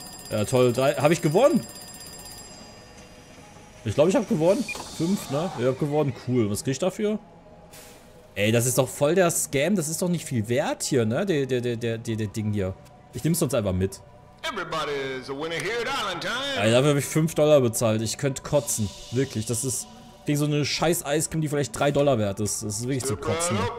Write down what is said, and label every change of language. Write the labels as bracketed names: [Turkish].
[German] Ja, toll, drei. Habe ich gewonnen? Ich glaube, ich habe gewonnen. Fünf, ne? Ich habe gewonnen. Cool, was krieg ich dafür? Ey, das ist doch voll der Scam. Das ist doch nicht viel wert hier, ne? Der Ding hier. Ich nehme es uns einfach mit. [English] Everybody's a winner here at Island Time. [German] Ey, dafür habe ich $5 bezahlt. Ich könnte kotzen. Wirklich, das ist gegen so eine scheiß Eiscreme, die vielleicht $3 wert ist. Das ist wirklich zu kotzen.